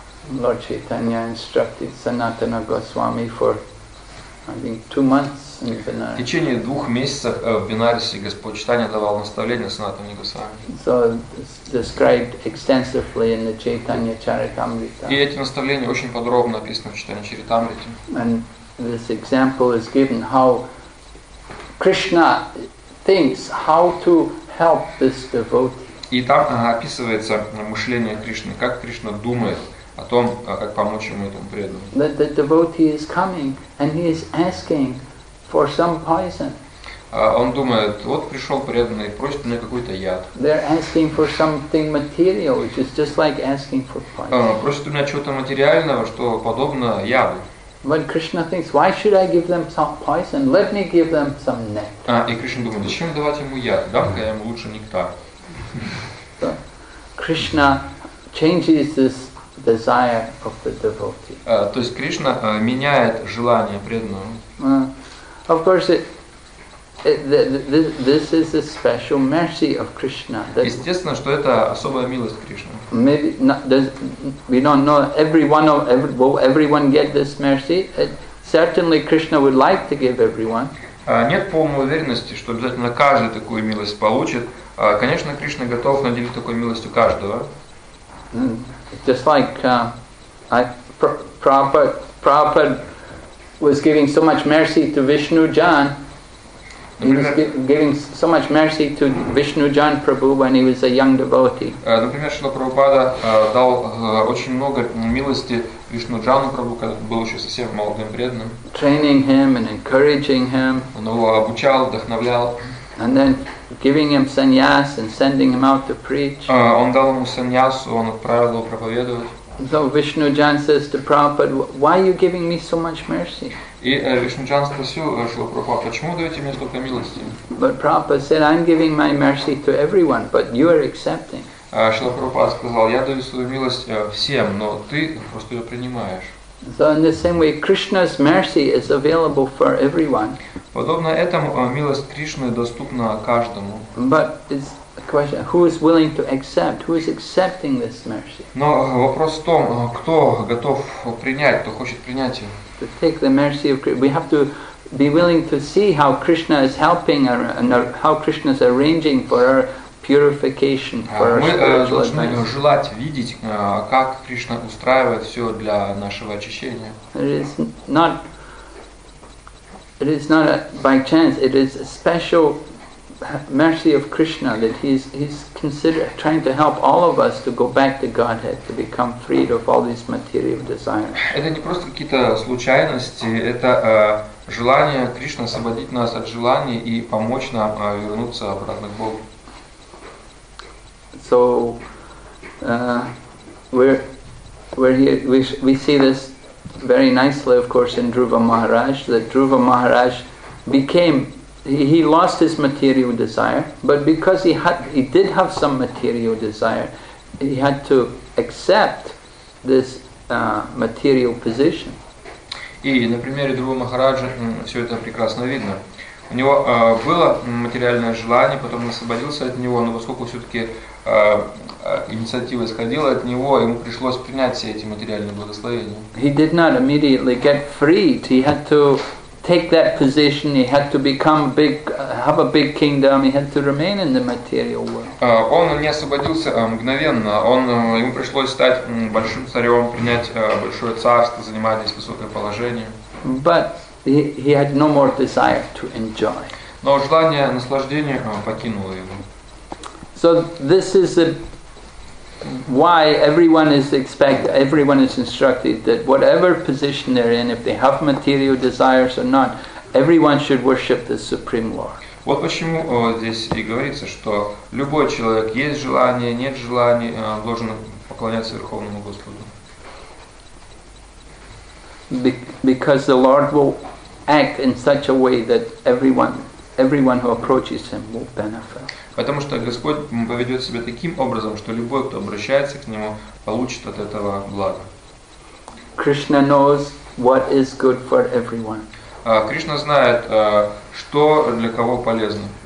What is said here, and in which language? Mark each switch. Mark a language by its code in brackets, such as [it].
[en] Lord Chaitanya instructed Sanatana Goswami for, I think, 2 months in Benares. [ru] В течение 2 месяцев в Бенарисе Господь Чайтанья давал наставление Санатане Госвами. [en] So described extensively in the Chaitanya Charitamrita. [ru] И эти наставления очень подробно описаны в Чайтанья Чаритамрите. [en] And this example is given how Krishna thinks how to help this devotee. [ru] И там описывается мышление Кришны, как Кришна думает о том, как помочь ему этому преданному. [en] The devotee is coming and he is asking for some poison. [ru] Он думает, вот пришел преданный, просит мне какой-то яд. [en] They're asking for something material, which is just like asking for poison. [ru] Просит у меня чего-то материального, что подобно яду. [en] When Krishna thinks, why should I give them some poison? Let me give them some nectar. [ru] И Кришна думает, зачем давать ему яд? Дам-ка я ему лучше нектар. [en] So, Krishna changes this desire of the devotee. [ru] То есть Кришна меняет желание преданного. [en] Of course, this is a special mercy of Krishna. [ru] Естественно, что это особая милость Кришны. [en] Maybe we don't know everyone get this mercy. Certainly, Krishna would like to give everyone. [ru] Нет полной уверенности, что обязательно каждый такую милость получит. Конечно, Кришна готов наделить такой милостью каждого. [en] Just like Prabhupada was giving so much mercy to Vishnu Jan. He was giving so much mercy to Vishnu Jan Prabhu when he was a young devotee. [ru] Например, Шрила Прабхупада дал очень много милости Вишну Джану Прабху, когда был еще совсем молодым преданным. [en] Training him and encouraging him. [ru] Он его обучал, вдохновлял. [en] And then giving him sannyas and sending him out to preach. [ru] Он дал ему саньясу, он отправил его проповедовать. [en] So Vishnu Jan says to Prabhupada, "Why are you giving me so much mercy?" [ru] И Вишну Джан спросил Шрила Прабхупада, почему даете мне столько милости? [en] But Prabhupada said, I'm giving my mercy to everyone, but you are accepting. [ru] Шрила Прабхупада сказал, я даю свою милость всем, но ты просто ее принимаешь. [en] So in the same way, Krishna's mercy is available for everyone. [ru] Подобно этому, милость Кришны доступна каждому. [en] But it's a question, who is willing to accept? Who is accepting this mercy? [ru] Но вопрос в том, кто готов принять, кто хочет принять ее. [en] To take the mercy of Krishna, we have to be willing to see how Krishna is helping our, and our, how Krishna is arranging for our purification, for our spiritual advancement. [ru] Мы должны желать видеть, как Кришна устраивает все для нашего очищения. [en] It is not by chance. It is a special mercy of Krishna that he's trying to help all of us to go back to Godhead, to become freed of all these material desires. [ru] Это не просто какие-то случайности, это желание Кришны освободить нас от желаний и помочь нам вернуться обратно к Богу. [en] So we see this very nicely, of course, in Dhruva Maharaj, that Dhruva Maharaj became he lost his material desire, but because he did have some material desire, he had to accept this material position. [ru] И на примере Друва Махараджа все это прекрасно видно. У него было материальное желание, потом он освободился от него, но поскольку все-таки инициатива исходила от него, ему пришлось принять все эти материальные благословения. [en] He did not immediately get freed. He had to take that position, he had to become big, have a big kingdom, he had to remain in the material world. [ru] Он не освободился мгновенно, ему пришлось стать большим царем, принять большое царство, занимать здесь высокое положение. [en] But he had no more desire to enjoy. [ru] Но желание наслаждения покинуло его. [en] So this is why everyone is instructed that whatever position they're in, if they have material desires or not, everyone should worship the Supreme Lord. [ru] Вот почему здесь и говорится, что любой человек, есть желание, нет желания, должен поклоняться Верховному Господу. [en] Because the Lord will act in such a way that everyone who approaches Him will benefit. [ru] Потому что Господь поведет себя таким образом, что любой, кто обращается к Нему, получит от этого благо. [en] Krishna knows what is good for everyone. [ru] Кришна знает, что для кого полезно.